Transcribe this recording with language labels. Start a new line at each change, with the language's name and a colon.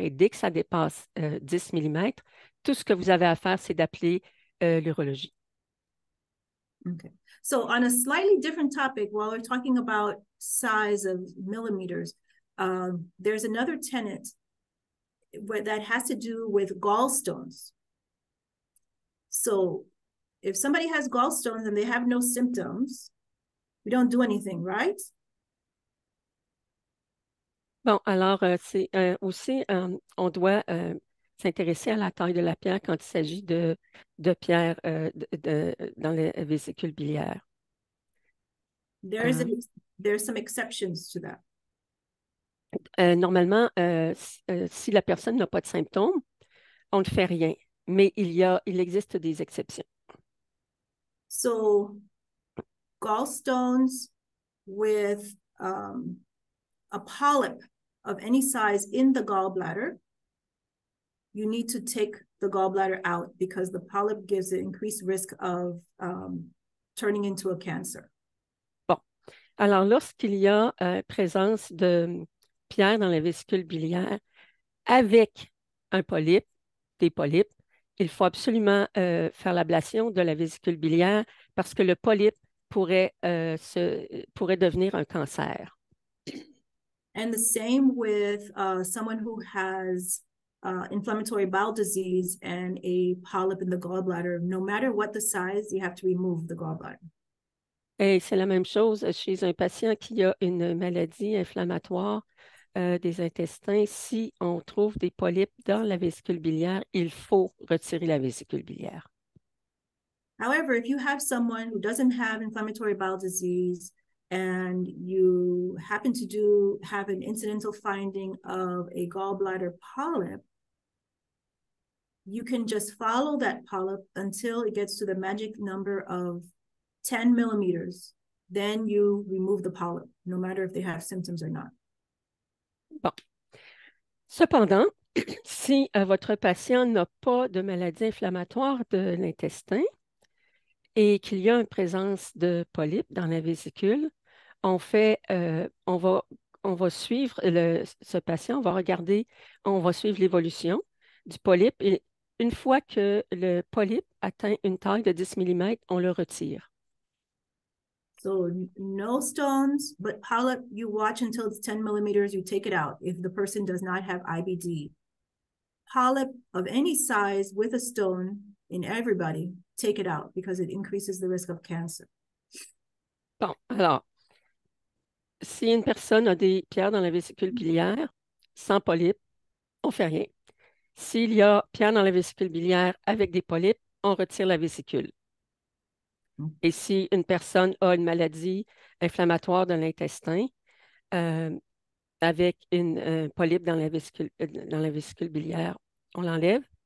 French: Et dès que ça dépasse 10 mm, tout ce que vous avez à faire, c'est d'appeler l'urologie.
English: Okay. So on a slightly different topic, while we're talking about size of millimeters, there's another tenet that has to do with gallstones. So if somebody has gallstones and they have no symptoms, we don't do anything, right?
French: Bon, alors, c'est aussi, on doit s'intéresser à la taille de la pierre quand il s'agit de pierre dans les vésicules biliaires.
English: There's some exceptions to that.
French: Normalement, si la personne n'a pas de symptômes, on ne fait rien. Mais il existe des exceptions.
English: So, gallstones with a polyp of any size in the gallbladder, you need to take the gallbladder out because the polyp gives an increased risk of turning into a cancer.
French: Bon. Alors, lorsqu'il y a présence de pierre dans la vésicule biliaire avec un polype, des polypes, il faut absolument faire l'ablation de la vésicule biliaire parce que le polype pourrait devenir un cancer.
English: And the same with someone who has inflammatory bowel disease and a polyp in the gallbladder. No matter what the size, you have to remove the gallbladder.
French: Et c'est la même chose chez un patient qui a une maladie inflammatoire des intestins. Si on trouve des polypes dans la vésicule biliaire, il faut retirer la vésicule biliaire.
English: However, if you have someone who doesn't have inflammatory bowel disease and you happen to have an incidental finding of a gallbladder polyp, you can just follow that polyp until it gets to the magic number of 10 millimeters, then you remove the polyp, no matter if they have symptoms or not.
French: Bon. Cependant, si votre patient n'a pas de maladie inflammatoire de l'intestin et qu'il y a une présence de polype dans la vésicule, on va suivre ce patient, on va suivre l'évolution du polype. Et une fois que le polype atteint une taille de 10 mm, on le retire.
English: So no stones, but polyp, you watch until it's 10 millimeters, you take it out if the person does not have IBD. Polyp of any size with a stone in everybody, take it out because it increases the risk of cancer.
French: Bon, alors, si une personne a des pierres dans la vésicule biliaire sans polype, on ne fait rien. S'il y a pierres dans la vésicule biliaire avec des polypes, on retire la vésicule. Et si une personne a une maladie inflammatoire de l'intestin avec un polype dans la vésicule biliaire, on l'enlève.